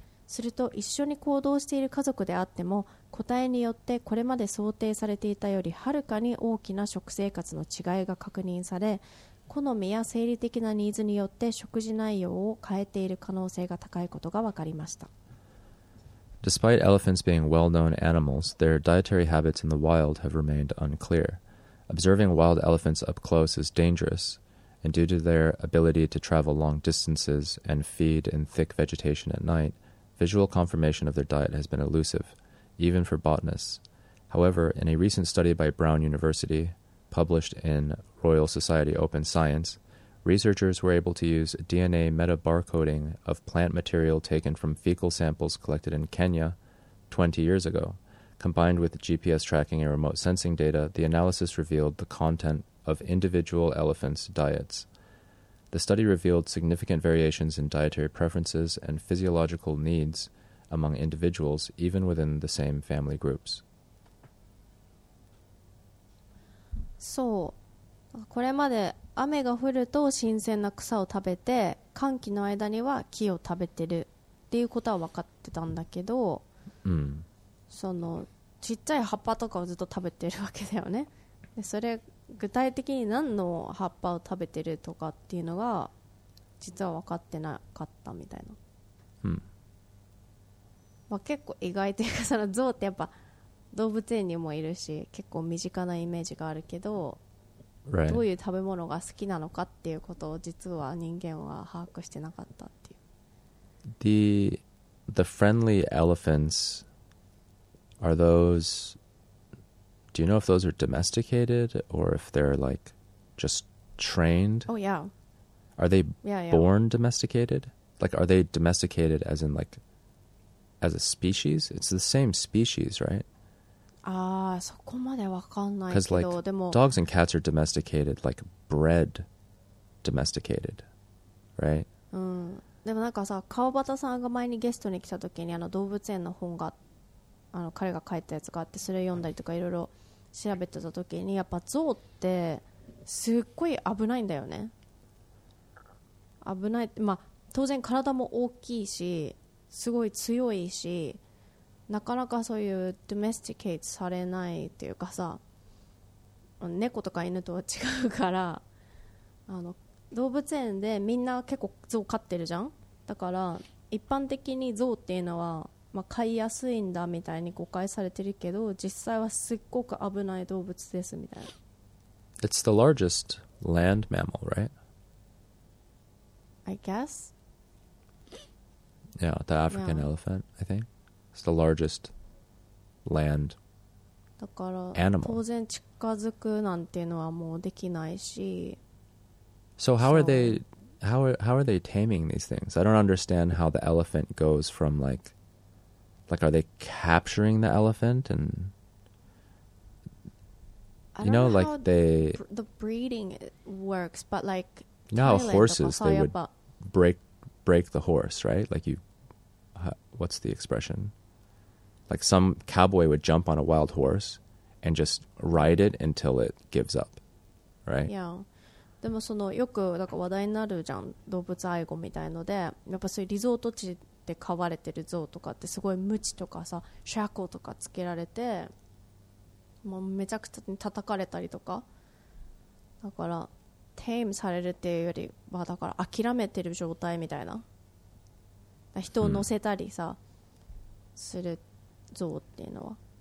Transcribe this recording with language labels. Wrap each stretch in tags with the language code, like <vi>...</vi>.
<ja>すると一緒に行動している家族であっても個体によってこれまで想定されていたよりはるかに大きな食生活の違いが確認され、好みや生理的なニーズによって食事内容を変えている可能性が高いことが分かりました。</ja> <en>Despite elephants being well-known animals, their dietary habits in the wild have remained unclear. Observing wild elephants up close is dangerous, and due to their ability to travel long distances and feed in thick vegetation at night, visual confirmation of their diet has been elusive, even for botanists. However, in a recent study by Brown University, published in Royal Society Open Science, researchers were able to use DNA metabarcoding of plant material taken from fecal samples collected in Kenya 20 years ago. Combined with GPS tracking and remote sensing data, the analysis revealed the content of individual elephants' diets. The study revealed significant variations in dietary preferences and physiological needs among individuals, even within the same family groups.</en> <ja>So, これまで雨が降ると新鮮な草を食べて、寒気の間には木を食べてるっていうことは分かってたんだけど、うん、そのちっちゃい葉っぱとかをずっと食べてるわけだよね。でそれ具体的に何の葉っぱを食べてるとかっていうのが実は分かってなかったみたいな、うん、まあ、結構意外というか、そのゾウってやっぱ動物園にもいるし結構身近なイメージがあるけど、</ja> <en>Right.</en> <ja>どういう食べ物が好きなのかっていうことを実は人間は把握してなかったっていう。</ja> <en>The friendly elephants, are those, do you know if those are domesticated or if they're like just trained? Oh yeah. Are they born domesticated? Like are they domesticated as in like as a species? It's the same species, right?</en> <ja>ああそこまでわかんないけど、でも</ja> <en>dogs and cats are domesticated, like bred domesticated, right?</en> <ja>うん、でもなんかさ、川端さんが前にゲストに来た時にあの動物園の本が、あの彼が書いたやつがあって、それを読んだりとかいろいろ調べてた時に、やっぱゾウってすっごい危ないんだよね。危ない、まあ当然体も大きいしすごい強いし、なかなかそういうドメスティケイトされないっていうかさ、猫とか犬とは違うから、あの動物園でみんな結構ゾウ飼ってるじゃん。だから一般的にゾウっていうのは、まあ、飼いやすいんだみたいに誤解されてるけど、実際はすっごく危ない動物ですみたいな。</ja> <en>It's the largest land mammal, right? I guess. Yeah, the African elephant, I think. It's the largest land animal.</en> <ja>当然近づくなんていうのはもうできないし。</ja> <en>So how are they taming these things? I don't understand how the elephant goes from like are they capturing the elephant and you know like they the breeding works, but like you know how horses they would break the horse, right? Like you, what's the expression? Like some cowboy would jump on a wild horse and just ride it until it gives up, right? Yeah.</en> <ja>でもそのよくなんか話題になるじゃん、動物愛護みたいので、やっぱそういうリゾート地で飼われてるゾウとかってすごいムチとかさ、シャコとかつけられて、もうめちゃくちゃ叩かれたりとか、だからテイムされるっていうよりはだから諦めてる状態みたいな、人を乗せたりさ、するってゾウっていうのは。</ja>